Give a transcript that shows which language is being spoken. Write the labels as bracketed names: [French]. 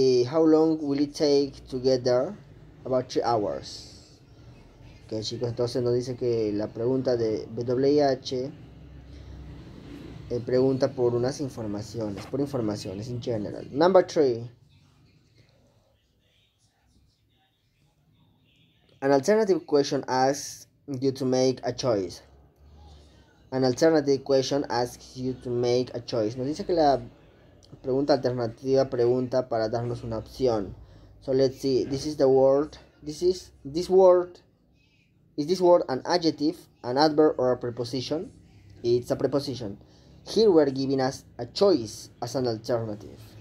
[English] How long will it take to get there? About 3 hours. [Spanish] Okay, chicos, entonces nos dice que la pregunta de WH pregunta por unas informaciones, por informaciones en general. [English] Number three. An alternative question asks you to make a choice. [Spanish] Nos dice que la pregunta alternativa pregunta para darnos una opción. [English] So let's see. Is this word an adjective, an adverb, or a preposition? It's a preposition. Here we're giving us a choice as an alternative.